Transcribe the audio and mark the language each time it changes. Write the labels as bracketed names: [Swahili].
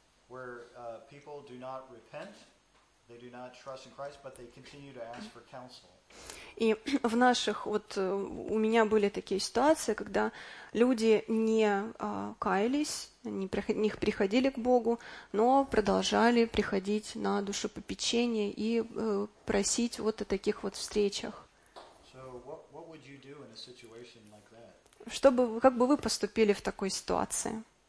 [English] Where people do not repent, they do not trust in Christ, but they continue to ask for counsel. [Russian] И в наших, вот у меня были такие ситуации, когда люди не каялись, не приходили к Богу, но продолжали приходить на душепопечение и просить вот о таких вот встречах. [English] So what would you do in a situation like that? [Russian] Как бы вы поступили в такой ситуации?